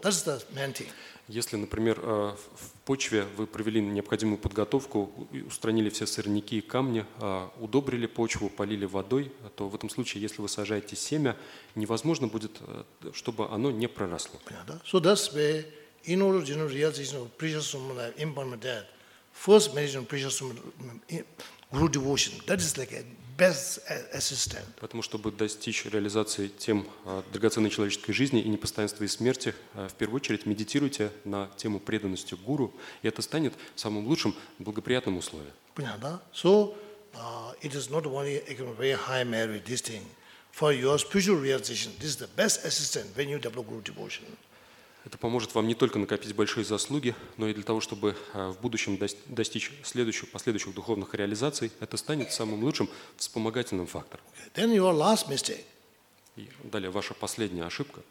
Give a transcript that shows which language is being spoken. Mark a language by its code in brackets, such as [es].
[en] That's the main thing. [ru] Если, например, в почве вы провели необходимую подготовку, устранили все сорняки и камни, удобрили почву, полили водой, то в этом случае, если вы сажаете семя, невозможно будет, чтобы оно не проросло. [en] So that's where, in order to generate realization of precious human life, embodiment that, first meditation of precious human life, guru devotion, that is like a best assistant. [ru] Потому чтобы достичь реализации тем драгоценной человеческой жизни и непостоянства и смерти, в первую очередь медитируйте на тему преданности гуру, и это станет самым лучшим благоприятным условием. Понятно, да? [en] So, it is not only a very high merit this thing. For your spiritual realization, this is the best assistant when you develop guru devotion. [ru] Это поможет вам не только накопить большие заслуги, но и для того, чтобы в будущем достичь следующих, последующих духовных реализаций, это станет самым лучшим вспомогательным фактором. [en] Okay. Then your last mistake. [ru] И далее ваша последняя ошибка.